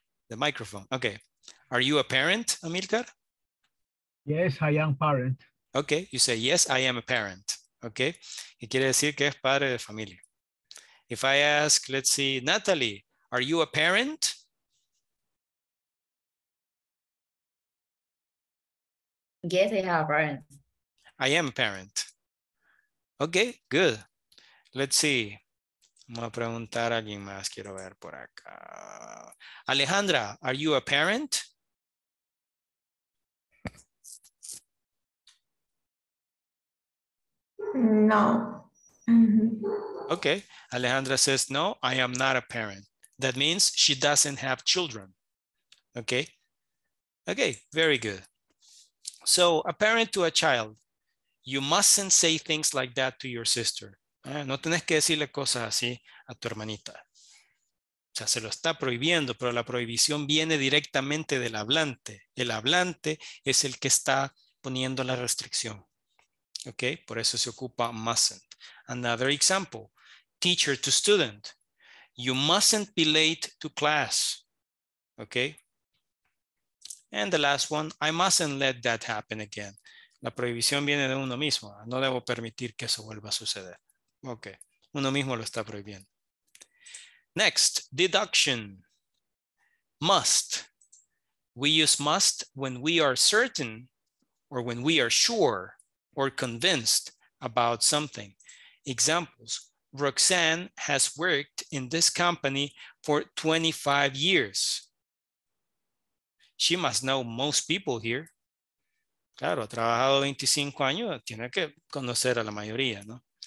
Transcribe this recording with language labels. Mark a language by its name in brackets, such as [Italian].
[English] The microphone. Okay. Are you a parent, Amilcar? Yes, I am parent. Okay. You say, yes, I am a parent. Okay. [Spanish] Y quiere decir que es padre de familia. [English] If I ask, let's see, Natalie, are you a parent? Yes, I am a parent. I am a parent. Okay, good. Let's see. [Spanish] Vamos a preguntar a alguien más. Quiero ver por acá. [English] Alejandra, are you a parent? No. Okay. Alejandra says, no, I am not a parent. That means she doesn't have children. Okay. Okay, very good. So a parent to a child, you mustn't say things like that to your sister. [Spanish] No tenés que decirle cosas así a tu hermanita. O sea, se lo está prohibiendo, pero la prohibición viene directamente del hablante. El hablante es el que está poniendo la restricción. ¿Ok? Por eso se ocupa mustn't. [English] Another example. Teacher to student. You mustn't be late to class. ¿Ok? And the last one. I mustn't let that happen again. [Spanish] La prohibición viene de uno mismo. No debo permitir que eso vuelva a suceder. Ok, uno mismo lo está prohibiendo. [English] Next, deduction. [Spanish] Must. [English] We use must when we are certain or when we are sure or convinced about something. Examples, Roxanne has worked in this company for 25 years. She must know most people here. [Spanish] Claro, ha trabajado 25 años, tiene que conocer a la mayoría, ¿no?